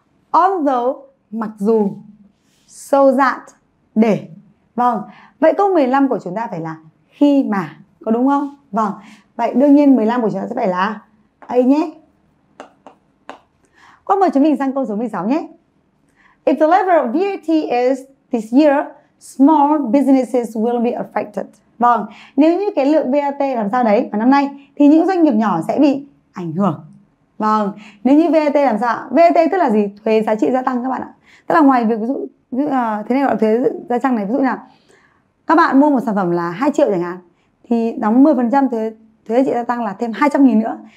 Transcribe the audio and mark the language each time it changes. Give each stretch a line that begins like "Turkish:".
Vietnamese: Although, mặc dù. So that, để. Vâng. Vậy câu 15 của chúng ta phải là khi mà. Có đúng không? Vâng. Vậy đương nhiên 15 của chúng ta sẽ phải là A nhé. Cô mời chúng mình sang câu số 16 nhé.
English: If the level of VAT is this year, small businesses will be affected.
Vietnamese: Vâng. Nếu như cái lượng VAT làm sao đấy vào năm nay thì những doanh nghiệp nhỏ sẽ bị ảnh hưởng. Vâng. Nếu như VAT làm sao? VAT tức là gì? Thuế giá trị gia tăng các bạn ạ. Tức là ngoài việc ví dụ thế này gọi là thuế gia tăng này, ví dụ như là các bạn mua một sản phẩm là 2 triệu chẳng hạn thì đóng 10% thuế giá trị gia tăng là thêm 200.000 nữa.